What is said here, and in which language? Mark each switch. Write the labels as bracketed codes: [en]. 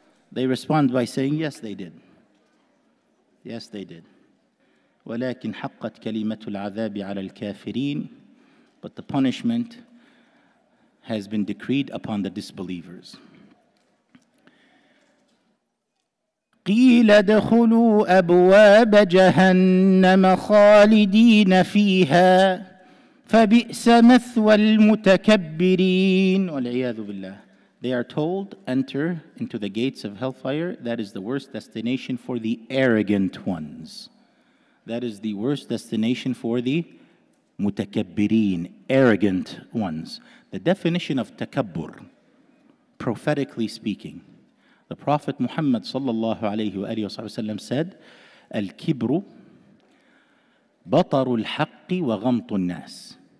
[en] They respond by saying, yes, they did. Yes, they did. [ar] وَلَكِنْ حَقَّتْ كَلِمَةُ الْعَذَابِ عَلَى الْكَافِرِينَ. [en] But the punishment has been decreed upon the disbelievers. [ar] قيل ادخلوا أبواب جهنم خالدين فيها فبئس مثوى المتكبرين. والعياذ بالله. [en] They are told, enter into the gates of hellfire. That is the worst destination for the arrogant ones. That is the worst destination for the متكبرين, arrogant ones. The definition of تكبر, prophetically speaking, the Prophet Muhammad sallallahu alayhi wa alayhi wa sallam said, [ar] الكبر بطر الحق وغمط الناس.